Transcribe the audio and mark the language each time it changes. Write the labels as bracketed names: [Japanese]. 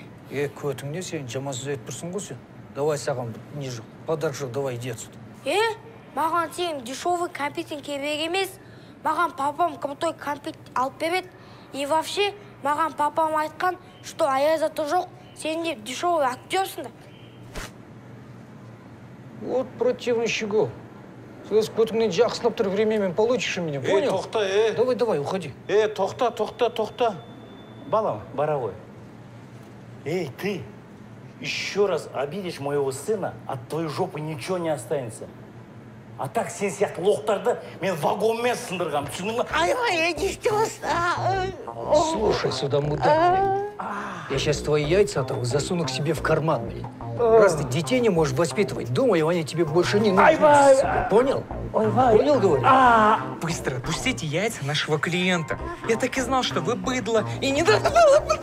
[Kazakh] Е, көтің не сен, жаман сөз айтпырсың ғой сен. Давай саған не жоқ, подарок жоқ, [Russian] давай, иди отсюда. [Kazakh] Е, маған сен дешевый кәмпитін керек емес. Маған папам крутой кәмпит алып береді. [Russian] И вообще, [Kazakh] маған папам айтқан, что Аяз ата жоқ, сен де дешевый актерсіңдер. [Russian] Вот противный щегол. Слез, кто-то мне джах снаптер времен получишь у меня, понял? [Kazakh] Тохта, [Russian] Давай, давай, уходи. [Kazakh] Тохта, тохта, тохта. Балам, Боровой. [Russian] Ты еще раз обидишь моего сына, от твоей жопы ничего не останется. А так [Kazakh] сен сияқты лохтарды мен вагонмен сындырғам, түсіндің ба? [Russian] Ай, я не стелся. Слушай, сюда, мудак, блин. Я сейчас твои яйца оторву, засуну к себе в карман, блин. Раз ты детей не можешь воспитывать, думаю, они тебе больше не нужны, сука. Понял? Понял, говорю? Быстро отпустите яйца нашего клиента. Я так и знал, что вы быдло и не дотвало.